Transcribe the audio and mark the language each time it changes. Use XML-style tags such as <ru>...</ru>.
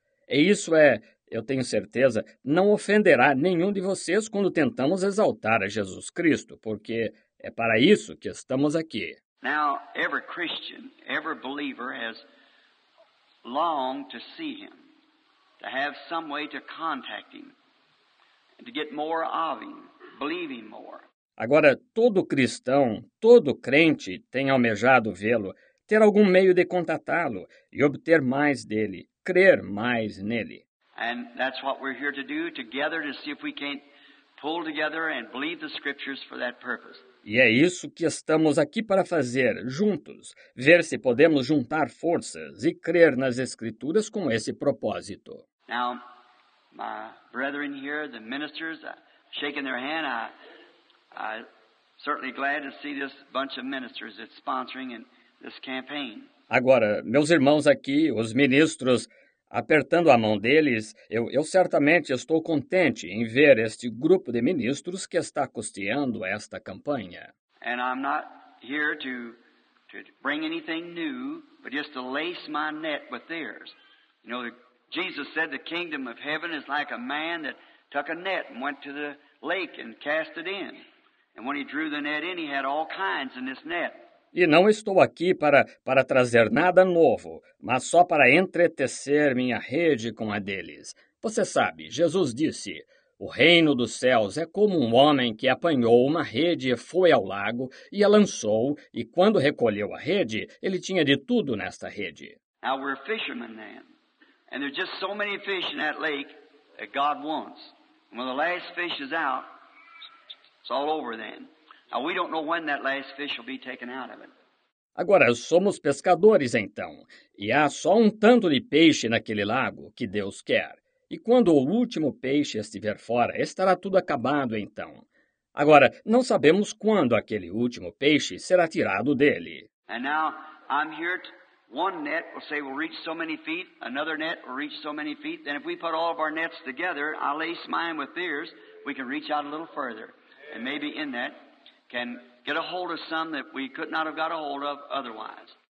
<pt>E isso é, eu tenho certeza, não ofenderá nenhum de vocês quando tentamos exaltar a Jesus Cristo, porque é para isso que estamos aqui.</pt> <en>Now, every Christian, every believer has longed to see him, to have some way to contact him. To get more of him, believe him more.</en> <pt>Agora, todo cristão, todo crente tem almejado vê-lo, ter algum meio de contatá-lo e obter mais dele, crer mais nele.</pt> <en>And that's what we're here to do, together, to see if we can't pull together and believe the scriptures for that purpose.</en> <pt>E é isso que estamos aqui para fazer, juntos, ver se podemos juntar forças e crer nas escrituras com esse propósito.</pt> <en>Now, my brethren here, the ministers, shaking their hand. I'm certainly glad to see this bunch of ministers that's sponsoring in this campaign.</en> <pt>Agora, meus irmãos aqui, os ministros, apertando a mão deles, eu certamente estou contente em ver este grupo de ministros que está custeando esta campanha.</pt> <en>And I'm not here to bring anything new, but just to lace my net with theirs. You know, Jesus said the kingdom of heaven is like a man that took a net and went to the lake and cast it in. And when he drew the net in, he had all kinds in this net.</en> <pt>E não estou aqui para trazer nada novo, mas só para entretecer minha rede com a deles. Você sabe, Jesus disse, o reino dos céus é como um homem que apanhou uma rede e foi ao lago e a lançou, e quando recolheu a rede, ele tinha de tudo nesta rede.</pt> <en>Now we're fishermen then, and there's just so many fish in that lake that God wants. And when the last fish is out, it's all over then. Now, we don't know when that last fish will be taken out of it.</en> <pt>Agora, somos pescadores, então. E há só um tanto de peixe naquele lago que Deus quer. E quando o último peixe estiver fora, estará tudo acabado, então. Agora, não sabemos quando aquele último peixe será tirado dele.</pt> <en>And now, I'm here, one net will say we'll reach so many feet, another net will reach so many feet, then if we put all of our nets together, I'll lace mine with theirs, we can reach out a little further. And maybe in that, can get a hold of some that we could not have got a hold of otherwise.</en>